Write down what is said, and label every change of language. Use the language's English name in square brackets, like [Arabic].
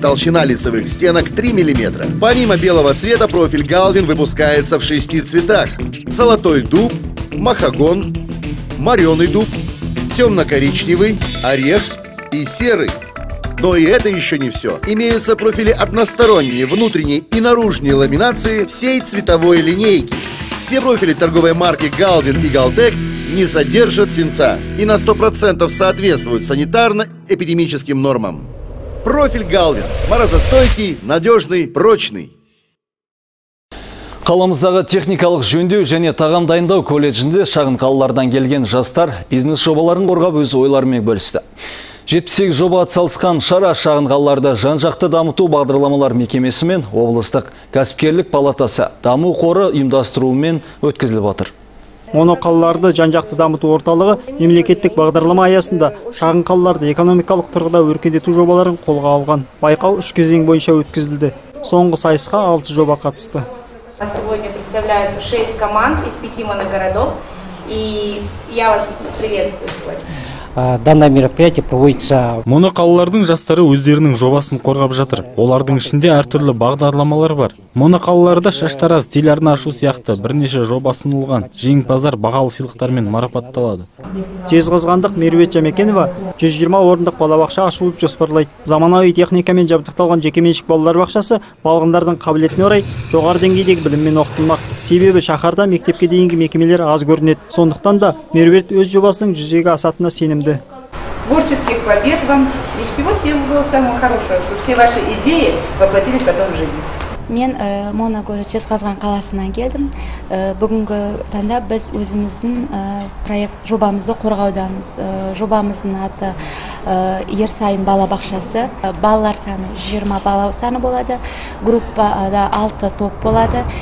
[Russian] Толщина лицевых стенок 3 мм. Помимо белого цвета профиль Галвин выпускается в 6 цветах. Золотой дуб, махагон, мореный дуб, темно-коричневый, орех и серый. Но и это еще не все. Имеются профили односторонние, внутренние и наружные ламинации всей цветовой линейки. Все профили торговой марки Galvin и Galtek не содержат свинца и на 100% соответствуют санитарно-эпидемическим нормам. Профиль Galvin. Морозостойкий, надежный, прочный. [Kazakh] Қаламыздағы техникалық жөндеу және тағам дайындау колледжінде шағын қалалардан келген жастар бизнес жобаларын қорғап өз ойларымен бөлісті. 78 жоба атсалысқан шара шағын қалаларда жан-жақты дамыту бағдарламалар мекемесі мен облыстық кәсіпкерлік палатасы даму қоры ұйымдастыруымен өткізіліп отыр. Оны қалаларды жан-жақты дамыту орталығы мемлекеттік бағдарлама аясында шағын қалаларды экономикалық тұрғыда өркендету жобаларын қолға алған. Байқау 3 кезең бойынша өткізілді. Соңғы сайысқа 6 жоба қатысты. [Russian] Сегодня представляются 6 команд из 5 моногородов. И я вас приветствую сегодня. Данное мероприятие проводится. [Kazakh] Мұны қалалардың жастары өздерінің жобасын қорғап жатыр. Олардың ішінде әртүрлі бағдарламалар бар. Мұны қалаларда шаштараз телярын ашу сияқты бірнеше жобасын ұлған жеңпазар бағалы сыйлықтармен марапатталады. Жезқазғандық Меруерт Жәмекенова 120 орындық балабақша ашылып жоспарлайды. Заманауи техникамен жабдықталған жекеменшік балалар бақшасы балғындардың қабілетіне орай жоғары деңгейдегі біліммен оқытылмақ. Себебі шаһарда мектепке дейінгі мекемелер аз көрінеді. Сондықтан да Меруерт өз жобасының жүзеге асатынына сенеді. [Russian] Творческих побед вам и всего всего самого хорошего, чтобы все ваши идеи воплотились потом в жизнь. [Kazakh] Мен моно город Жезқазған қаласынан келдім. Бүгінгі таңда біз өзіміздің проект жобамызды қорғаудамыз. Жобамыздың аты Ерсайын бала бақшасы. Балалар саны 20 бала саны болады. Группада 6 топ болады.